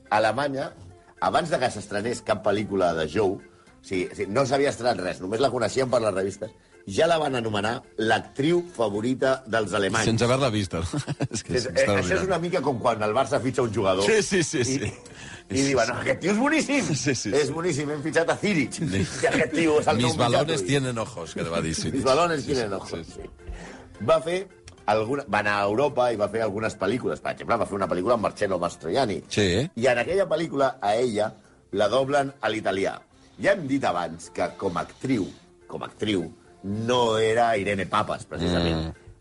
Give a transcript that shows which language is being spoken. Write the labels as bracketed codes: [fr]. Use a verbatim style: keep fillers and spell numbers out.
[ca] Alemanya, abans de que s'estrenés cap pel·lícula de Joe, o sigui, no s'havia estrenat res, només la coneixien per les revistes, ja la van anomenar l'actriu favorita dels alemanys. Sense haver-la vista. És que és, és, això mirant. És una mica com quan el Barça fitxa un jugador. Sí, sí, sí. sí. I, i, i diuen, no, aquest tio és boníssim. Sí, sí, sí. És boníssim, hem fitxat a Ziric. Sí. Aquest tio és el [es] Mis balones tienen ojos, [ca] que te va dir. Sí. [es] Mis balones sí, tienen ojos. [ca] Sí, sí. Va fer... Alguna, va anar a Europa i va fer algunes pel·lícules. Per exemple, va fer una pel·lícula amb Marcello Mastroianni. Sí. I en aquella pel·lícula, a ella, la doblen a l'italià. Ja hem dit abans que, com a actriu, com a actriu, no era Irene Papas, precisament. Mm.